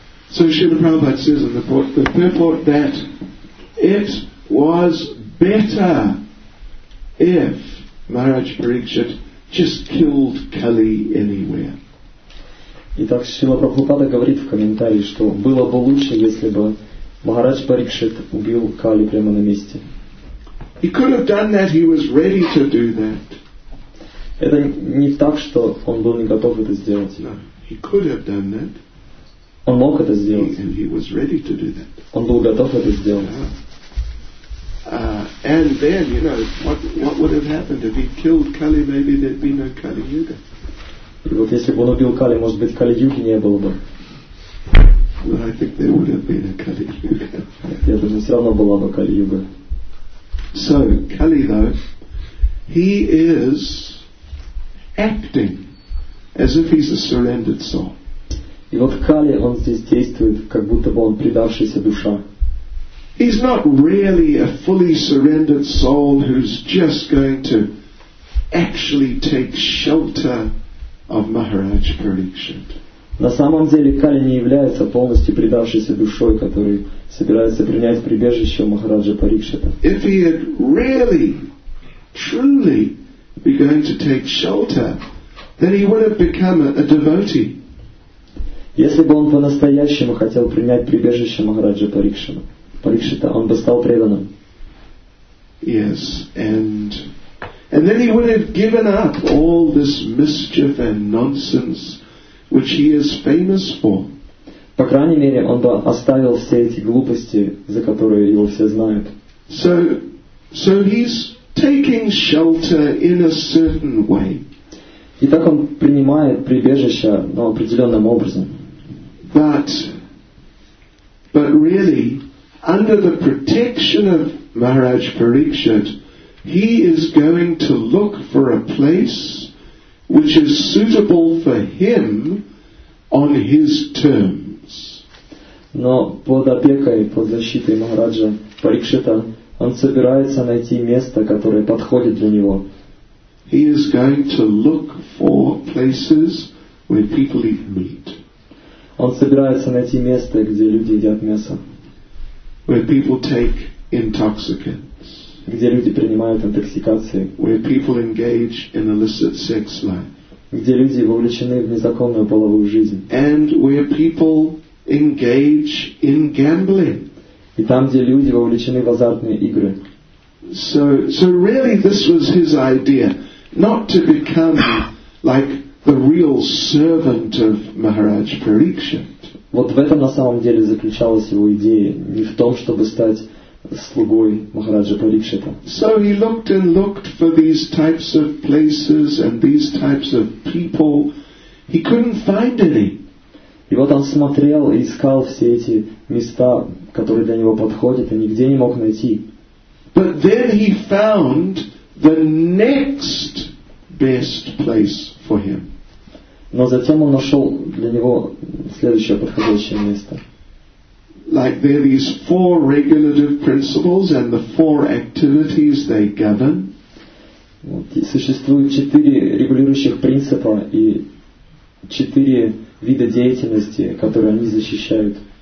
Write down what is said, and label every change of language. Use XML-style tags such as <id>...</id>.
<en>So Srila Prabhupada says in the purport that it was better if Maharaj Parikshit just killed Kali anywhere.</en> <ru>Итак, Srila Prabhupada говорит в комментарии, что было бы лучше, если бы Махарадж Парикшит убил Кали прямо на месте.</ru> <en>He could have done that, he was ready to do that.</en> <ru>Это не так, что он был не готов это сделать.</ru> <en>No, he could have done that.</en> <ru>Он мог это сделать.</ru> <en>And he was ready to do that.</en> <ru>Он был готов это сделать.</ru> <en>And then, you know, what would have happened if he killed Kali? Maybe there'd be no Kali Yuga.</en> <ru>И вот если бы он убил Кали, может быть, Кали Юги не было бы.</ru> <en>Well, I think there would have been a Kali Yuga.</en> <ru>Я думаю, все равно была бы Кали Юга.</ru> <en>So Kali, though, he is acting as if he's a surrendered soul.</en> <ru>И вот Кали, он здесь действует, как будто бы он предавшаяся душа.</ru> <en>He's not really a fully surrendered soul who's just going to actually take shelter of Maharaj Parikshit.</en> <ru>На самом деле Кали не является полностью предавшейся душой, который собирается принять прибежище у Махараджа Парикшита.</ru> <en>If he had really, truly be going to take shelter, then he would have become a devotee.</en> <ru>Если бы он по-настоящему хотел принять прибежище Махараджа Парикшита, он бы стал преданным.</ru> <en>Yes, and then he would have given up all this mischief and nonsense which he is famous for.</en> <ru>По крайней мере, он бы оставил все эти глупости, за которые его все знают.</ru> <en>So he's taking shelter in a certain way.</en> <ru>И так он принимает прибежище, но определенным образом.</ru> <en>But really, under the protection of Maharaj Parikshit, he is going to look for a place which is suitable for him on his terms.</en> <ru>Но под опекой, под защитой Махараджа Парикшита, он собирается найти место, которое подходит для него.</ru> <en>He is going to look for places where people eat meat.</en> <ru>Он собирается найти место, где люди едят мясо.</ru> <en>Where people take intoxicants.</en> <ru>Где люди принимают интоксикации.</ru> <en>Where people engage in illicit sex life.</en> <ru>Где люди вовлечены в незаконную половую жизнь.</ru> <en>And where people engage in gambling.</en> <ru>И там, где люди вовлечены в азартные игры.</ru> <en>So really this was his idea. Not to become like the real servant of Maharaj Parikshit.</en> <ru>Вот в этом на самом деле заключалась его идея, не в том, чтобы стать слугой Махараджа Парикшита.</ru> <en>So he looked and looked for these types of places and these types of people. He couldn't find any.</en> <ru>И вот он смотрел и искал все эти места, которые для него подходят, и нигде не мог найти.</ru> <en>But then he found the next best place for him.</en> <ru>Но затем он нашел для него следующее подходящее место.</ru> <en>Like there are these four regulative principles and the four activities they govern.</en> <ru>Вот, и существует четыре регулирующих принципа и четыре вида деятельности, которые они защищают.</ru>